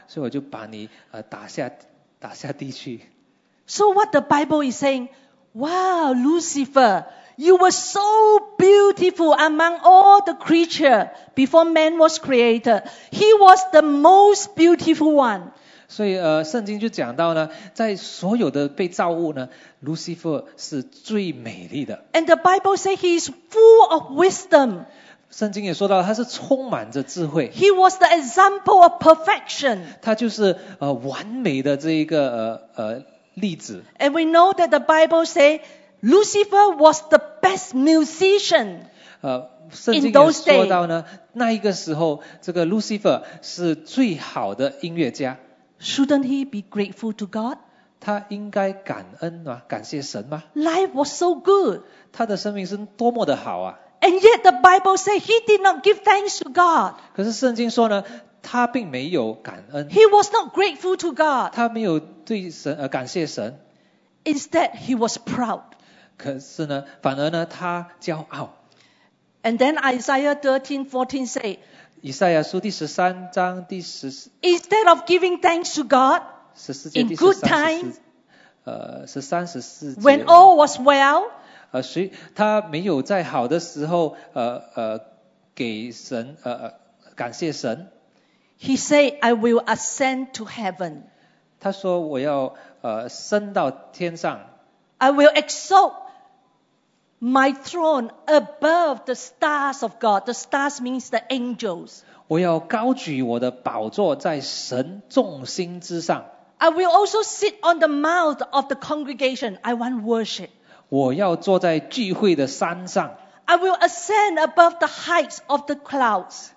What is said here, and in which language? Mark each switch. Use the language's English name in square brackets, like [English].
[Chinese] 所以我就把你打下地去。 [English] So what the Bible is saying, Wow, Lucifer, you were so beautiful among all the creature before man was created. He was the most beautiful one. [Chinese] 所以圣经就讲到呢，在所有的被造物呢， Lucifer 是最美丽的。 [English] And the Bible says he is full of wisdom. [Chinese] 圣经也说到他是充满着智慧。 [English] He was the example of perfection. [Chinese] 他就是完美的这一个例子。 [English] And we know that the Bible say Lucifer was the best musician. [Chinese] 圣经也说到呢，那一个时候，这个 Lucifer 是最好的音乐家。 [English] Shouldn't he be grateful to God? [Chinese] 他应该感恩吗？感谢神吗 [English] ？Life was so good. [Chinese] 他的生命是多么的好啊！ [English] And yet the Bible says he did not give thanks to God. [Chinese] 可是圣经说呢，他并没有感恩。 [English] He was not grateful to God. [Chinese] 他没有对神感谢神。 [English] Instead, he was proud. [Chinese] 可是呢，反而呢，他骄傲。 [English] And then Isaiah 13:14 say. [Chinese] 以赛亚书第十三章第十四。 [English] Instead of giving thanks to God. [Chinese] 十四节第十三 [English] good time, [Chinese] 十三十四节。 [English] When all was well. [Chinese] 他没有在好的时候给神感谢神。 [English] He said, I will ascend to heaven. [Chinese] 他说我要升到天上。 [English] I will exalt my throne above the stars of God. The stars means the angels. [Chinese] 我要高举我的宝座在神众星之上。 [English] I will also sit on the mount of the congregation. I want worship. [Chinese] 我要坐在聚会的山上。 [English] I will ascend above the heights of the clouds.